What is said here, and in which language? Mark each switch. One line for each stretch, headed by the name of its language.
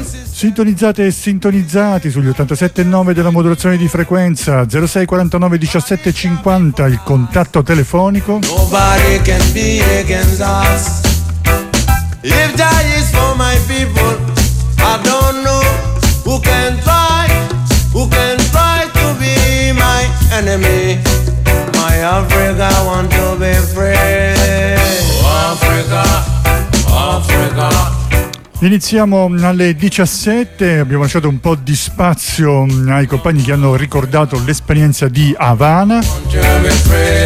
Italian: Sintonizzate e sintonizzati sugli 87.9 della modulazione di frequenza, 06 49 17 50 il contatto telefonico.
English: Nobody can be against us. If that is for my people, I don't know who can try, who can try to be my enemy. My Africa want to be free. Oh Africa, Africa.
Italian: Iniziamo alle 17, abbiamo lasciato un po' di spazio ai compagni che hanno ricordato l'esperienza di Havana.